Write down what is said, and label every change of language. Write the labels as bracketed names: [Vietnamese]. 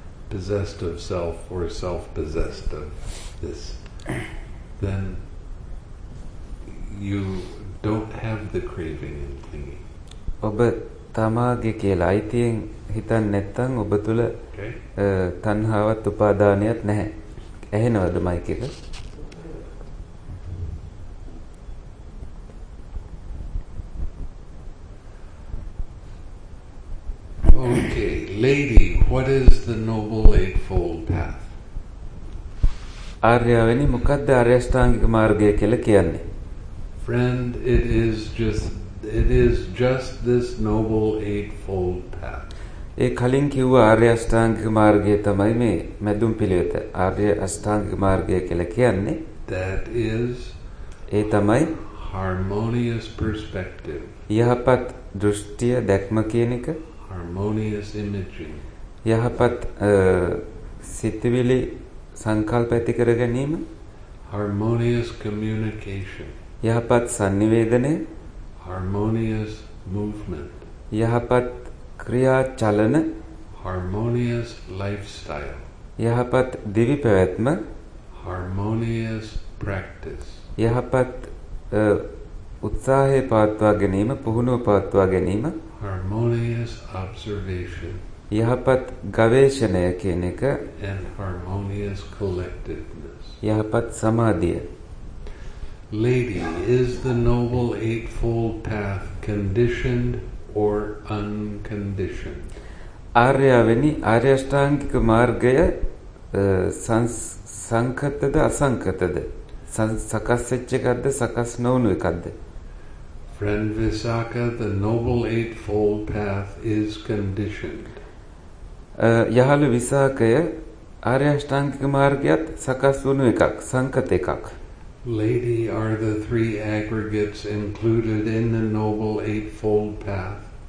[English] possessed of self or self possessed of this then you don't have the craving and clinging. [Sinhala] ඔබ තමාගේ කියලා අයිතියෙන් හිතන්නේ නැත්නම් ඔබ තුල තණ්හාවත් උපාදානියත් නැහැ. ඇහෙනවද මයික් එක? [English] Okay, lady, what is the Noble Eightfold Path? [Sinhala] ආර්යවෙනි මොකද්ද ආර්යෂ්ටාංගික මාර්ගය කියලා කියන්නේ? [English] Friend, it is just this Noble Eightfold Path. [Sinhala] ඒ කලින් කිව්ව ආර්ය අෂ්ටාංගික මාර්ගය තමයි මේ මැදුම් පිළිවෙත. ආර්ය අෂ්ටාංගික මාර්ගය කියලා කියන්නේ [English] that is [Sinhala] ඒ තමයි [English] harmonious perspective. [Sinhala] යහපත් දෘෂ්ටිය දැක්ම කියන එක. [English] harmonious imagery. [Sinhala] යහපත් සිතවිලි සංකල්ප ඇති කර ගැනීම. [English] harmonious communication. [Sinhala] යහපත් sannivedanaya. [English] harmonious movement. [Sinhala] යහපත් ක්‍රියා චලන. [English] harmonious lifestyle. [Sinhala] යහපත් දිවි පැවැත්ම. [English] harmonious practice. [Sinhala] යහපත් උත්සාහය පවත්වා ගැනීම, පුහුණුව පවත්වා ගැනීම. [English] harmonious observation. [Sinhala] යහපත් ගවේෂණය කියන එක. [English] and harmonious collectedness. [Sinhala] යහපත් සමාධිය. [English] lady, is the noble eightfold path conditioned or unconditioned? [Sinhala] ආර්යවෙනි ආර්යෂ්ටාංගික මාර්ගය සංකතද අසංකතද? සකස් වෙච්ච එකක්ද සකස් නොවුණු එකක්ද? [English] Friend Visakha, the Noble Eightfold Path is conditioned. [Sinhala] යහළු විසාකය ආර්යෂ්ටාංගික මාර්ගයත් සකස් වුණු එකක් සංකත එකක්. [English] Lady, are the three aggregates included in the Noble Eightfold Path?